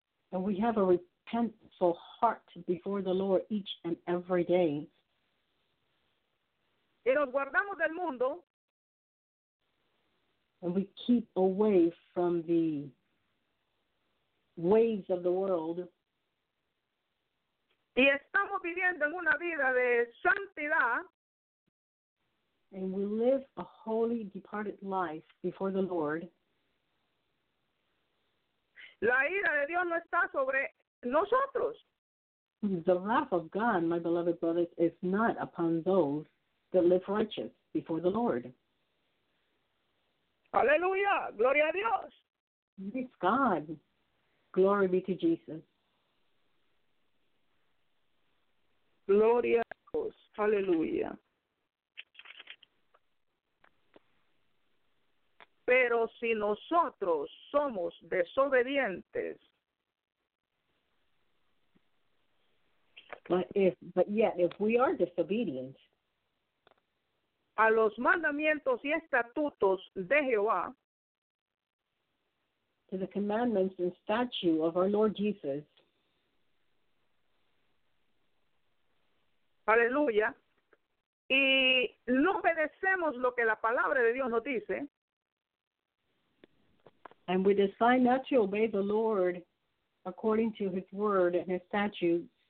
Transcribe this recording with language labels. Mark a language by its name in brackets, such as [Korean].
[English] and we have a repentful heart before the Lord each and every day. [Spanish] Y nos guardamos del mundo. [English] And we keep away from the ways of the world. [Spanish] Y estamos viviendo en una vida de santidad. [English] And we live a holy, departed life before the Lord. [Spanish] La ira de Dios no está sobre nosotros. [English] The wrath of God, my beloved brothers, is not upon those that live righteous before the Lord. [Spanish] Aleluya, gloria a Dios. [English] It's God. Glory be to Jesus. [Spanish] Gloria a Dios. Aleluya. Pero si nosotros somos desobedientes, [English] But if we are disobedient [Spanish] a los mandamientos y estatutos de Jehová, [English] to the commandments and statute of our Lord Jesus, [Spanish] aleluya, y no obedecemos lo que la palabra de Dios nos dice, [English] and we decide not to obey the Lord according to his word and his statute.